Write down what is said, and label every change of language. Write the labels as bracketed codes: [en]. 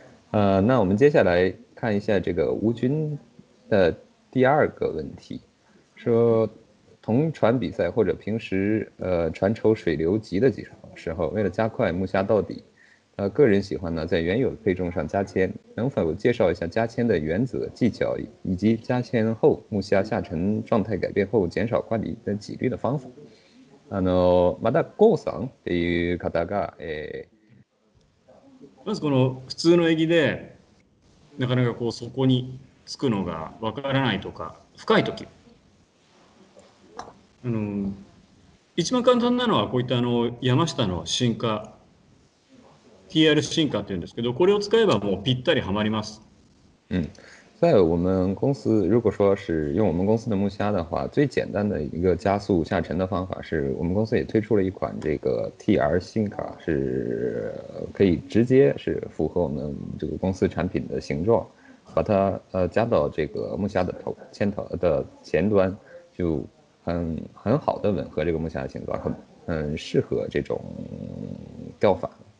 [zh] 那我们接下来看一下这个吴军的第二个问题，说同船比赛或者平时船抽水流急的几场时候，为了加快木虾到底，个人喜欢呢在原有的配重上加铅，能否介绍一下加铅的原则技巧，以及加铅后木虾下沉状态改变后减少挂底的几率的方法？ [ja] また郷さんっていう方が、まずこの普通のエギでなかなかこう底につくのがわからないとか深いとき、一番簡単なのはこういった山下の進化 TR 進化っていうんですけど、これを使えばもうぴったりはまります。 [zh] 在我们公司，如果说是用我们公司的木虾的话，最简单的一个加速下沉的方法是，我们公司也推出了一款这个 TR 新卡，是可以直接是符合我们这个公司产品的形状，把它加到这个木虾的头前头的前端，就很好的吻合这个木虾的形状，很适合这种钓法。